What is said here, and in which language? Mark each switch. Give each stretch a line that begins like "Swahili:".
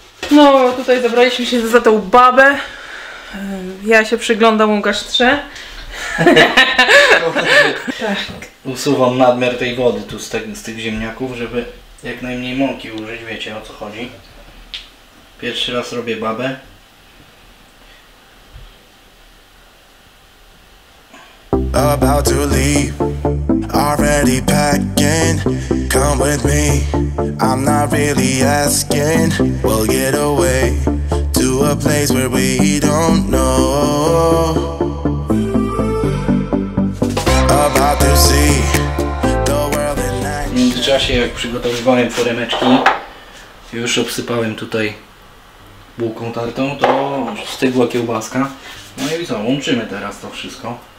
Polish: No, tutaj zabraliśmy się za tą babę. Ja się przyglądam Łukasz trze. Tak. Usuwam nadmiar tej wody tu z tych ziemniaków, żeby jak najmniej mąki użyć. Wiecie, o co chodzi. Pierwszy raz robię babę.
English: About to leave, already packing. Come with me, I'm not really asking. We'll get away to a place where we don't know. About to see the world in action.
Polish: W międzyczasie, jak przygotowywałem foremeczki, już obsypałem tutaj bułką tartą, to wstygła kiełbaska. No i co, łączymy teraz to wszystko.